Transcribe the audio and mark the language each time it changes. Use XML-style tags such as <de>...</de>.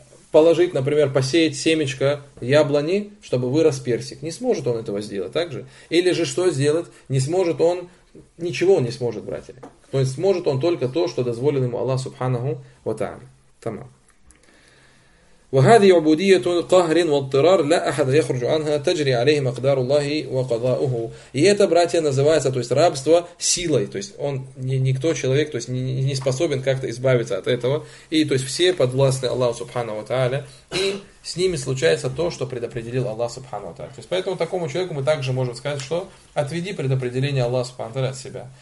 <ru>Положить, например, посеять семечко яблони, чтобы вырос персик. Не сможет он этого сделать, так же? Или же что сделать? Не сможет он, ничего он не сможет, братья. То есть, сможет он только то, что дозволил ему Аллах Субханаху ва Тааля. Тамам.</ru> <ar>وهذه عبودية قهر واضطرار لا أحد يخرج عنها تجري عليه مقدار الله وقضاؤه.</ar> <ru>И это, братья, называется, то есть рабство силой, то есть он никто человек, то есть не способен как-то избавиться от этого, и то есть все подвластны Аллаху Субханаху ва Тааля, и с ними случается то, что предопределил Аллах Субханаху ва Тааля. То есть поэтому такому человеку мы также можем сказать, что отведи предопределение Аллаха Субханаху ва Тааля от себя.</ru>